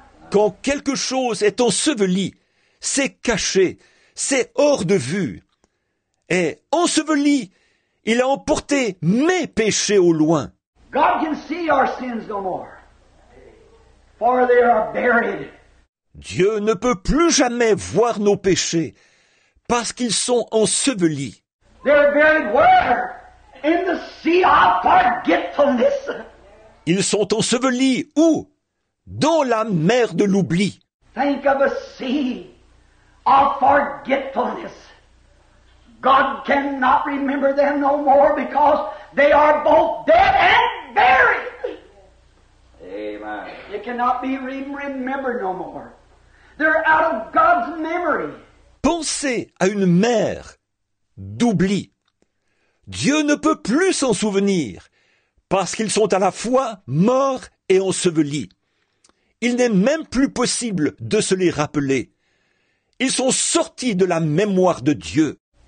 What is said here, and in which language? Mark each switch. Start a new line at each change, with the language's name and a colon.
French: Quand quelque chose est enseveli, c'est caché. C'est hors de vue. Et enseveli, il a emporté mes péchés au loin.
English: God can see our sins no more, for they are buried.
French: Dieu ne peut plus jamais voir nos péchés parce qu'ils sont ensevelis.
English: They're buried where? In the sea of forgetfulness.
French: Ils sont ensevelis où? Dans la mer de l'oubli.
English: Think of a sea. Of forgetfulness. God cannot remember them no more because they are both dead and buried. Amen. It cannot be remembered no more. They're out of God's memory.
French: Pensez à une mer d'oubli. Dieu ne peut plus s'en souvenir parce qu'ils sont à la fois morts et ensevelis. Il n'est même plus possible de se les rappeler. Ils sont sortis de la mémoire de Dieu.